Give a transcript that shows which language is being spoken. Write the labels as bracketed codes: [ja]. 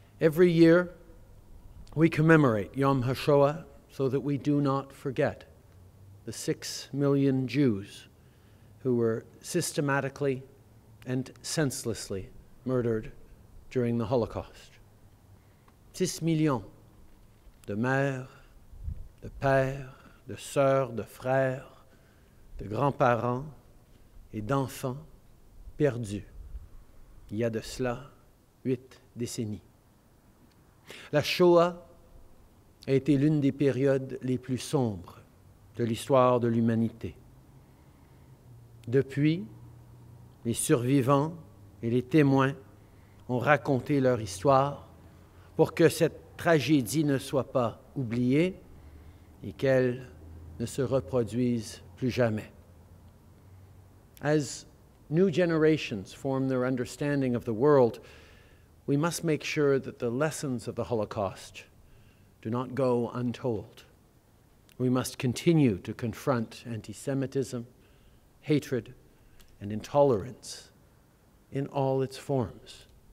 [en] Every year, we commemorate Yom HaShoah so that we do not forget the 6 million Jews who were systematically and senselessly murdered during the Holocaust. [fr] 6 millions de mères, de pères, de sœurs, de frères, de grands-parents et d'enfants perdus. Il y a de cela 8 décennies. La Shoah a été l'une des périodes les plus sombres de l'histoire de l'humanité. Depuis, les survivants et les témoins ont raconté leur histoire pour que cette tragédie ne soit pas oubliée et qu'elle ne se reproduise plus jamais. [en] As new generations form their understanding of the world, we must make sure that the lessons of the Holocaust do not go untold. We must continue to confront anti-Semitism, hatred, and intolerance in all its forms.